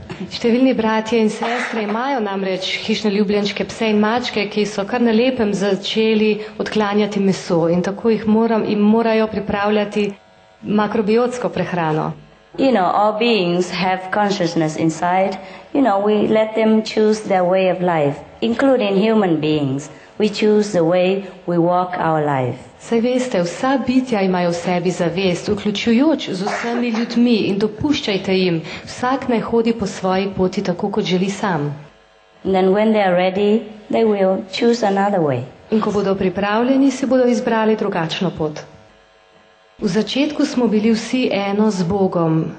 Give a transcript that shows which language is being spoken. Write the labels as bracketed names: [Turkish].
[Slovenian] Številni bratje in sestre imajo namreč hišne ljubljenčke, pse in mačke, ki so kar na lepem začeli odklanjati meso in tako jih morajo pripravljati makrobiotsko prehrano. [English] You know, all beings have consciousness inside. You know, we let them choose their way of life, including human beings. We choose the way we walk our life. [Slovenian] Saj veste, vsa bitja imajo v sebi zavest, vključujoč z vsemi ljudmi in dopuščajte jim. Vsak naj hodi po svoji poti tako, kot želi sam. [English] And then when they are ready, they will choose another way. [Slovenian] In ko bodo pripravljeni, si bodo izbrali drugačno pot. V začetku smo bili vsi eno z Bogom.